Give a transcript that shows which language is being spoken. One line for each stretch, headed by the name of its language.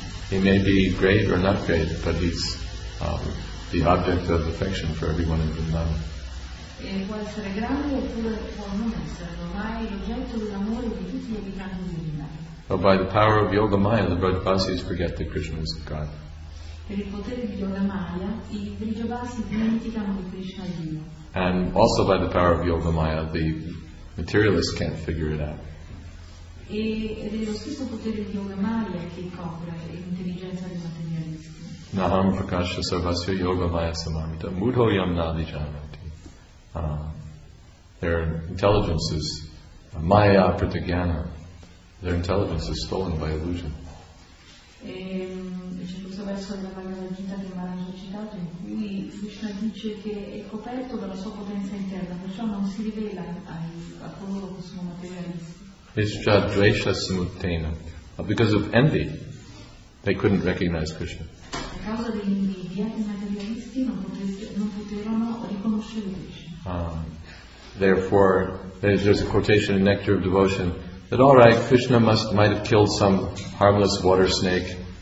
English: He may be great or not great, but he's the object of affection for everyone in Vrindavan.
Italian: Può essere grande oppure può non esserlo, ma è l'oggetto dell'amore di tutti gli abitanti di Vrindavan.
English: But by the power of Yoga Maya, the Vrijavasis forget that Krishna is God.
Italian: Per il potere di Yoga Maya, i Vrijavasi dimenticano che Krishna è Dio.
English: And also by the power of Yoga Maya, the materialists can't figure it out.
Italian: Ed è lo stesso potere di Yoga Maya che copre l'intelligenza dei materialisti.
Sanskrit: Naham prakasha sarvasya Yoga Maya samamita mudho yam nadi janati.
English: Their intelligence is
Sanskrit: Maya pratigyana.
English: Their intelligence is stolen by illusion.
Italian: E c'è questo verso della Bhagavad Gita che Maharaj ha citato, in cui Krishna dice che è coperto dalla sua potenza interna, perciò non si rivela a coloro che sono materialisti.
English: It's just dvesha simultaneo. But because of envy, they couldn't recognize Krishna.
Italian: A causa dell'invidia, i materialisti non poterono riconoscere Krishna.
English: Therefore, there's a quotation in Nectar of Devotion that, all right, Krishna might have killed some harmless water snake.